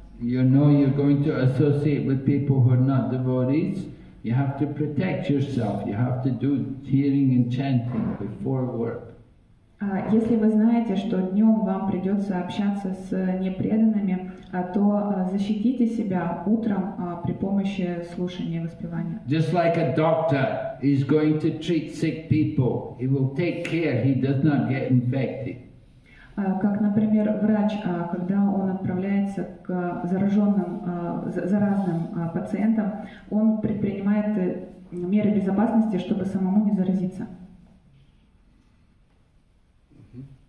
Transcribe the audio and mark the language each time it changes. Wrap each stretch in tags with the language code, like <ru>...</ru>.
<en>You know you're going to associate with people who are not devotees. You have to protect yourself. You have to do hearing and chanting before work.</en> <ru>Если вы знаете, что днем вам придется общаться с непреданными, то защитите себя утром при помощи слушания и воспевания.</ru> <en>Just like a doctor is going to treat sick people, he will take care he does not get infected.</en> <ru>Как, например, врач, когда он отправляется к зараженным, заразным пациентам, он предпринимает меры безопасности, чтобы самому не заразиться. Mm-hmm.</ru>